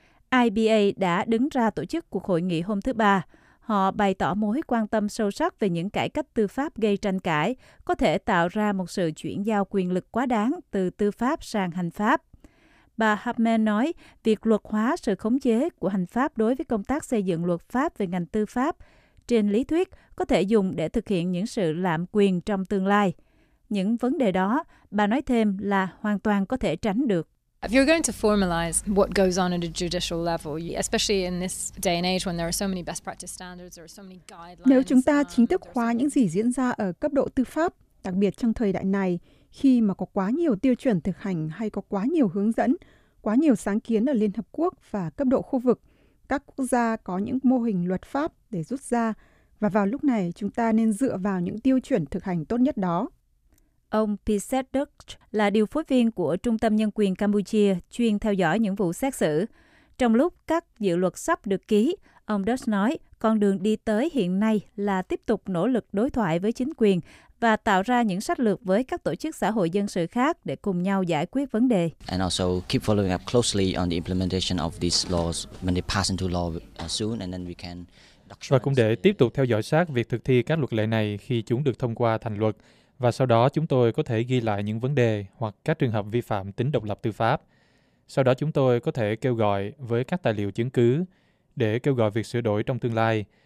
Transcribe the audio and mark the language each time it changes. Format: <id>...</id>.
<vi>IBA đã đứng ra tổ chức cuộc hội nghị hôm thứ Ba. Họ bày tỏ mối quan tâm sâu sắc về những cải cách tư pháp gây tranh cãi, có thể tạo ra một sự chuyển giao quyền lực quá đáng từ tư pháp sang hành pháp. Bà Hartman nói, việc luật hóa sự khống chế của hành pháp đối với công tác xây dựng luật pháp về ngành tư pháp, trên lý thuyết, có thể dùng để thực hiện những sự lạm quyền trong tương lai. Những vấn đề đó, bà nói thêm là hoàn toàn có thể tránh được.</vi> <en>If you're going to formalize what goes on at a judicial level, especially in this day and age when there are so many best practice standards or so many guidelines.</en> <vi>Nếu chúng ta chính thức hóa những gì diễn ra ở cấp độ tư pháp, đặc biệt trong thời đại này, khi mà có quá nhiều tiêu chuẩn thực hành hay có quá nhiều hướng dẫn, quá nhiều sáng kiến ở Liên Hợp Quốc và cấp độ khu vực, các quốc gia có những mô hình luật pháp để rút ra, và vào lúc này chúng ta nên dựa vào những tiêu chuẩn thực hành tốt nhất đó. Ông Pisset Dutch là điều phối viên của Trung tâm Nhân quyền Campuchia chuyên theo dõi những vụ xét xử. Trong lúc các dự luật sắp được ký, ông Dutch nói con đường đi tới hiện nay là tiếp tục nỗ lực đối thoại với chính quyền và tạo ra những sách lược với các tổ chức xã hội dân sự khác để cùng nhau giải quyết vấn đề.</vi> <en>And also keep following up closely on the implementation of these laws when they pass into law soon, and then we can.</en> <vi>Và cũng để tiếp tục theo dõi sát việc thực thi các luật lệ này khi chúng được thông qua thành luật. Và sau đó chúng tôi có thể ghi lại những vấn đề hoặc các trường hợp vi phạm tính độc lập tư pháp. Sau đó chúng tôi có thể kêu gọi với các tài liệu chứng cứ để kêu gọi việc sửa đổi trong tương lai.</vi>